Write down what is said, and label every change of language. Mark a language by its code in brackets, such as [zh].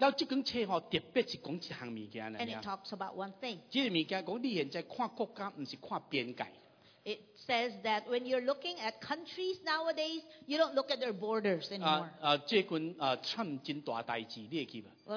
[zh] 然后这本书哦,特别是说一项东西。 [en] And it talks about one thing. [zh] 这个东西说,你现在看国家,不是看边界。 [en] It says that when you're looking at countries nowadays, you don't look at their borders anymore. [zh] 最近川普很大事,你会记吗?